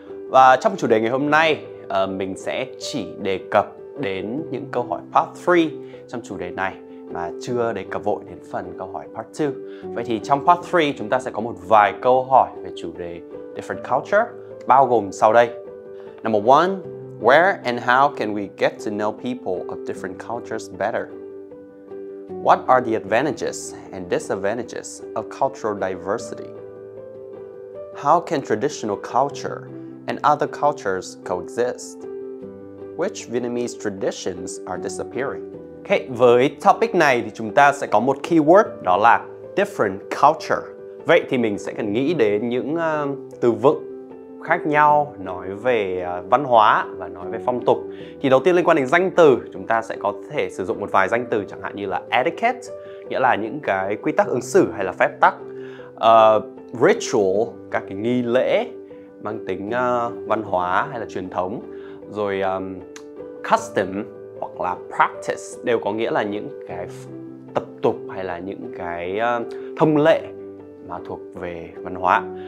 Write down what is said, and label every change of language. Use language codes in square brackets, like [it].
[vi] Và trong chủ đề ngày hôm nay, mình sẽ chỉ đề cập đến những câu hỏi part 3 trong chủ đề này mà chưa đề cập vội đến phần câu hỏi part 2. Vậy thì trong part 3, chúng ta sẽ có một vài câu hỏi về chủ đề different culture bao gồm sau đây. [en] Number 1, where and how can we get to know people of different cultures better? What are the advantages and disadvantages of cultural diversity? How can traditional culture and other cultures coexist? Which Vietnamese traditions are disappearing? [vi] Okay, với topic này thì chúng ta sẽ có một keyword đó là different culture. Vậy thì mình sẽ cần nghĩ đến những từ vựng khác nhau nói về văn hóa và nói về phong tục. Thì đầu tiên liên quan đến danh từ, chúng ta sẽ có thể sử dụng một vài danh từ chẳng hạn như là etiquette, nghĩa là những cái quy tắc ứng xử hay là phép tắc, ritual, các cái nghi lễ mang tính văn hóa hay là truyền thống, rồi custom hoặc là practice đều có nghĩa là những cái tập tục hay là những cái thông lệ mà thuộc về văn hóa.